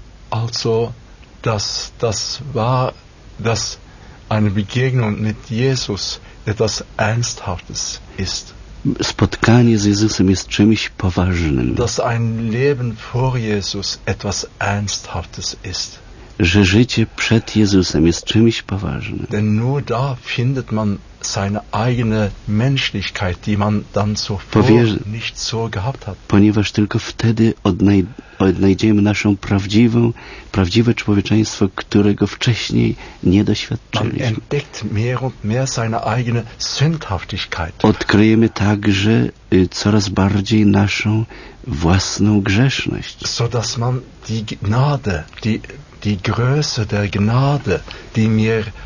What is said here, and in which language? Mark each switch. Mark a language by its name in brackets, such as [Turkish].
[German] Also, das war eine Begegnung mit Jesus etwas Ernsthaftes ist. [Polish] Spotkanie z Jezusem jest czymś poważnym. [German] Dass ein Leben vor Jesus etwas Ernsthaftes ist. [Polish] Że życie przed Jezusem jest czymś poważnym. [German] Denn nur da findet man seine eigene Menschlichkeit, die man dann zuvor nicht so gehabt hat. [Polish] Ponieważ tylko wtedy odnajdziemy naszą prawdziwe człowieczeństwo, którego wcześniej nie doświadczyliśmy. [German] Man entdeckt mehr und mehr seine eigene Sündhaftigkeit. [Polish] Odkryjemy także coraz bardziej naszą własną grzeszność. [German] So dass man die Gnade, die Größe der Gnade, die mir